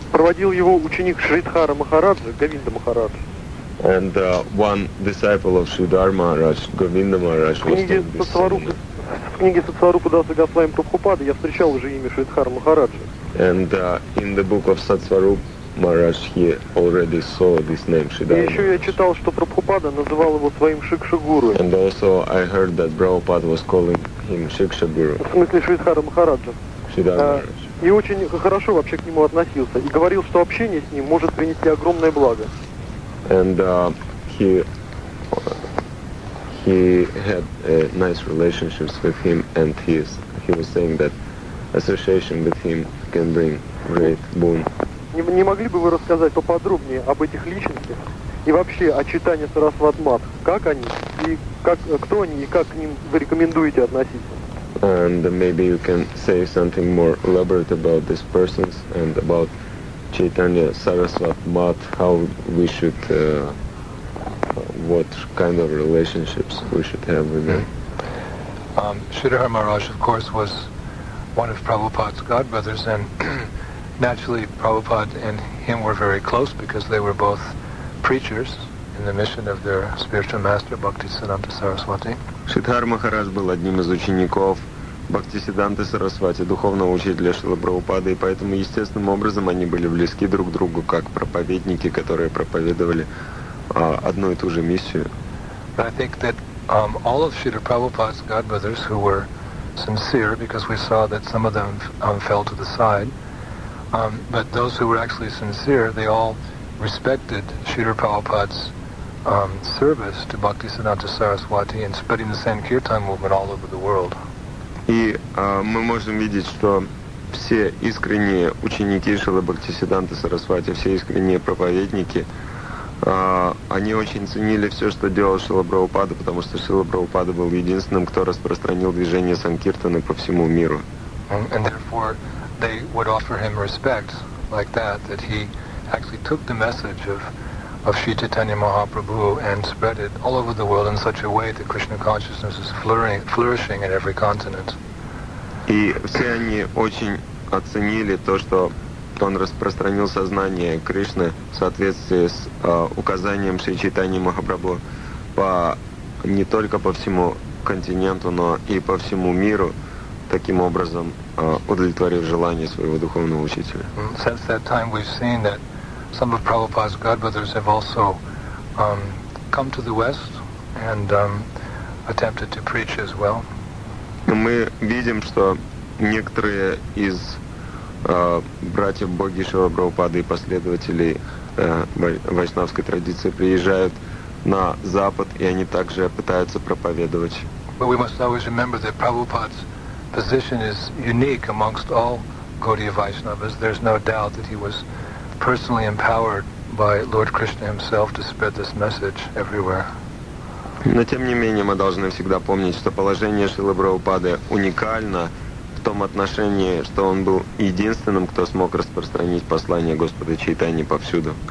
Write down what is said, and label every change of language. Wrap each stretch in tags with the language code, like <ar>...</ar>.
<ru>Проводил его ученик Шридхара Махараджа, Говинда Махараджа.</ru> <en>And one disciple of Sridhar Maharaj, Govinda Maharaj, was doing this seminar.</en> <ru>В книге Сатсварупы Даса Госвами Прабхупады я встречал уже имя Шридхара Махараджа.</ru> <en>And in the book of Сатсваруп Maharaj, he already saw this name, Sridhar.</en> <ru>И еще я читал, что Прабхупада называл его своим Шикшагуру.</ru> <en>And also I heard that Prabhupada was calling him Шикшагуру.</en> <ru>В смысле Шридхара Махараджа. Шридхар И очень хорошо вообще к нему относился. И говорил, что общение с ним может принести огромное благо.</ru> <en>And he had nice relationships with him, and he was saying that association with him can bring great boon.</en> <ru>Не могли бы вы рассказать поподробнее об этих личностях и вообще о читании Сарасват Мат? Как они и как кто они и как к ним вы рекомендуете относиться?</ru> <en>And maybe you can say something more elaborate about these persons and about Chaitanya Sarasvat Mat, how we should, what kind of relationships we should have with him. Sridhar Maharaj, of course, was one of Prabhupada's godbrothers, and naturally Prabhupada and him were very close because they were both preachers in the mission of their spiritual master, Bhaktisiddhanta Saraswati.</en> <ru>Sridhar Maharaj был одним из учеников Бхактисиддханты Сарасвати, духовного учителя Шрилы Прабхупады, и поэтому естественным образом они были близки друг к другу, как проповедники, которые проповедовали одну и ту же миссию.</ru> <en>I think that all of Srila Prabhupada's godbrothers who were sincere, because we saw that some of them fell to the side, but those who were actually sincere, they all respected Srila Prabhupada's service to Bhakti Siddhanta Saraswati and spreading the Sankirtan movement all over the world.</en> <ru>И мы можем видеть, что все искренние ученики Шрилы Бхактисиддханты Сарасвати, все искренние проповедники, они очень ценили все, что делал Шрила Прабхупада, потому что Шрила Прабхупада был единственным, кто распространил движение Санкиртаны по всему миру.</ru> <en>And therefore they would offer him respect like that, that he actually took the message of Sri Chaitanya Mahaprabhu and spread it all over the world in such a way that Krishna consciousness is flourishing in every continent.</en> <ru>И все они очень оценили то, что он распространил сознание Кришны в соответствии с указанием Шри Чайтаньи Махапрабху не только по всему континенту, но и по всему миру, таким образом удовлетворив желание своего духовного учителя.</ru> <en>Since that time we've seen that some of Prabhupada's godbrothers have also come to the West and attempted to preach as well.</en> <ru>Мы видим, что некоторые из братьев Боги Шрилы Прабхупады и последователей вайшнавской традиции приезжают на Запад, и они также пытаются проповедовать.</ru> <en>But we must always remember that Prabhupada's position is unique amongst all Gaudiya Vaishnavas. There's no doubt that he was personally empowered by Lord Krishna himself to spread this message everywhere.</en> <ru>Но тем не менее мы должны всегда помнить, что положение Шрилы Прабхупады уникально в том отношении, что он был единственным, кто смог распространить послание Господа Чайтаньи повсюду.</ru>